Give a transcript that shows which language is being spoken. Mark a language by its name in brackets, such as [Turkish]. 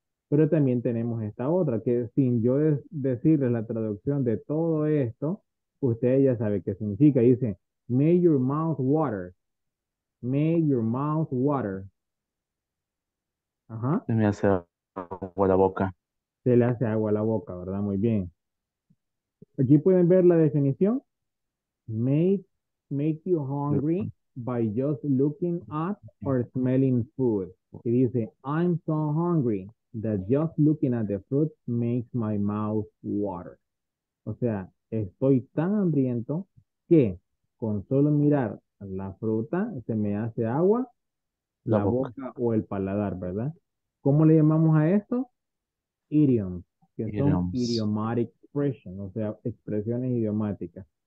[Spanish] Pero también tenemos esta otra, que sin yo decirles la traducción de todo esto, usted ya sabe qué significa. [English] Dice, may your mouth water. May your mouth water. Ajá. [Spanish] Se me hace agua la boca. Se le hace agua a la boca, ¿verdad? Muy bien. Aquí pueden ver la definición. [English] Make you hungry by just looking at or smelling food. [Spanish] Y dice, [English] I'm so hungry that just looking at the fruit makes my mouth water. [Spanish] O sea, estoy tan hambriento que con solo mirar la fruta, se me hace agua la boca o el paladar, ¿verdad? ¿Cómo le llamamos a esto? Idioms, que son [English] idiomatic expressions, [Spanish] o sea, expresiones idiomáticas.